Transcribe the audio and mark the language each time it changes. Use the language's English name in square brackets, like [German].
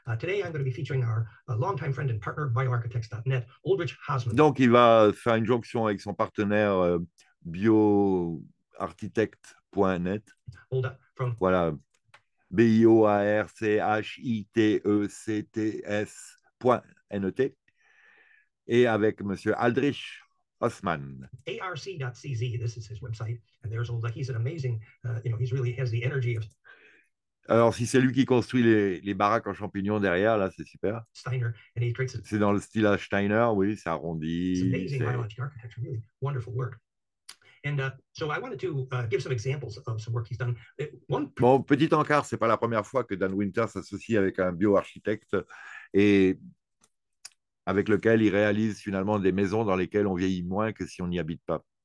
[English] Today, I'm going to be featuring our longtime friend and partner, bioarchitects.net, Ulrich Hasman. [French] Donc, il va faire une jonction avec son partenaire bioarchitect.net. Voilà, bioarchitects.net. Et avec Monsieur Aldrich Hoffman. [English] arc.cz, this is his website. And there's Ulrich, he's an amazing, you know, he's really has the energy of... [French] Alors, si c'est lui qui construit les baraques en champignons derrière, là, c'est super. [English] Steiner, and he creates... [French] C'est dans le style Steiner, oui, c'est arrondi. [English] It's amazing biological architecture, really wonderful work. And so I wanted to give some examples of some work he's done. One... [French] Bon, petit encart, ce n'est pas la première fois que Dan Winter s'associe avec un bioarchitecte et avec lequel il réalise finalement des maisons dans lesquelles on vieillit moins que si on n'y habite pas.